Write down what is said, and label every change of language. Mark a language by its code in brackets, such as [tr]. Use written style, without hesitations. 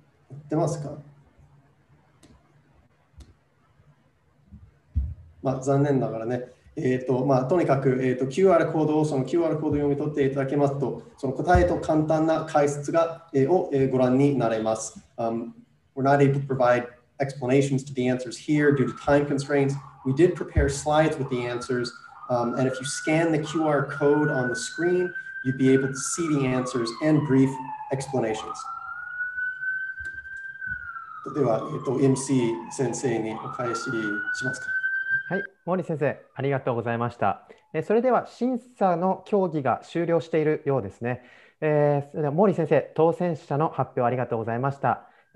[ja] 貼ってますか？まあ、残念ながらね。まあ、とにかく、QR コードをその QR コードを読み取っていただけますと、その答えと簡単な解説が、ご覧になれます。 [en] We're not able to provide explanations to the answers here due to time constraints. We did prepare slides with the answers, and if you scan the QR code on the screen, you'd be able to see the answers and brief explanations. [ja] では、MC 先生にお返ししますか。はい、森先生、ありがとうございました。それでは審査の協議が終了しているようですね。それでは森先生、当選者の発表ありがとうございました。